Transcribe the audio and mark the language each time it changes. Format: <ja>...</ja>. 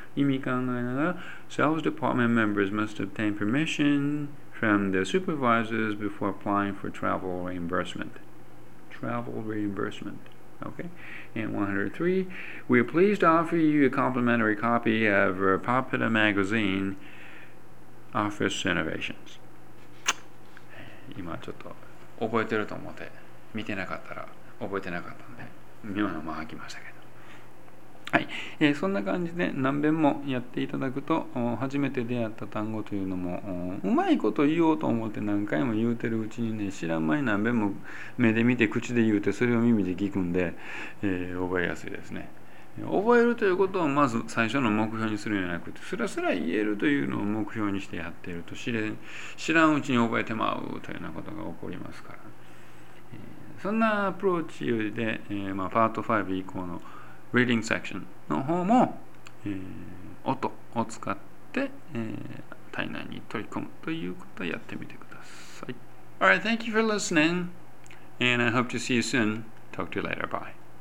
<ja>意味考えながら</ja> <en>Sales department members must obtain permission from their supervisors before applying for travel reimbursement. Travel reimbursementOkay, and 103, we are pleased to offer you a complimentary copy of our popular magazine, Office Innovations.</en> <ja>今ちょっと覚えてると思って見てなかったら覚えてなかったんで、今のまま来ましたけど。はい、そんな感じで何遍もやっていただくと、初めて出会った単語というのもうまいこと言おうと思って何回も言うてるうちにね、知らん前に何遍も目で見て口で言うて、それを耳で聞くんで、覚えやすいですね。覚えるということをまず最初の目標にするんじゃなくて、すらすら言えるというのを目標にしてやっていると、知らんうちに覚えてまうというようなことが起こりますから、そんなアプローチで、まあ、パート5以降のReading section の方も、音を使って、体内に取り込むということをやってみてください。</ja> <en>Alright, thank you for listening, and I hope to see you soon. Talk to you later. Bye.</en>